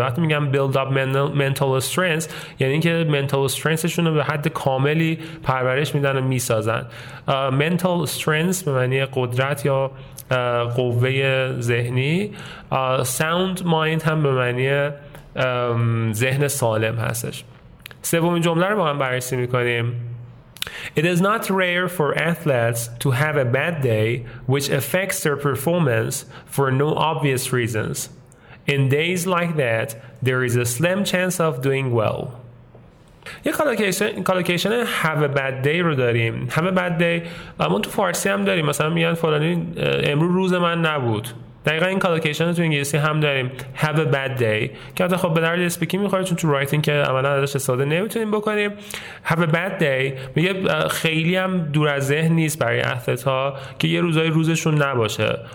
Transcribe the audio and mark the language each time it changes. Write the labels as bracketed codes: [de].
[fa] وقتی میگم [en] build up mental strength [fa] یعنی اینکه [en] mental strength [fa] شون رو به حد کاملی پرورش میدن و میسازن. [en] mental strength [fa] به معنی قدرت یا قوه ذهنی. [en] Sound mind [fa] هم به معنی ذهن سالم هستش. سومین جمله رو با هم بررسی میکنیم. [en] It is not rare for athletes to have a bad day which affects their performance for no obvious reasons. In days like that, there is a slim chance of doing well. [fa] یه کالوکیشن [en] have a bad day [fa] رو داریم. [en] Have a bad day [fa] اما تو فارسی هم داریم، مثلا میگن فلانی امروز روز من نبود. دقیقا این کالوکیشن رو تو انگلیسی هم داریم، [en] have a bad day، [fa] که خب به درد اسپیکی میخوره چون تو رایتینگ که عملا ازش استفاده نمیتونیم بکنیم. [en] have a bad day [fa] میگه خیلی هم دور از ذهن نیست برای اثبت ها که یه روزای روزشون نباشه.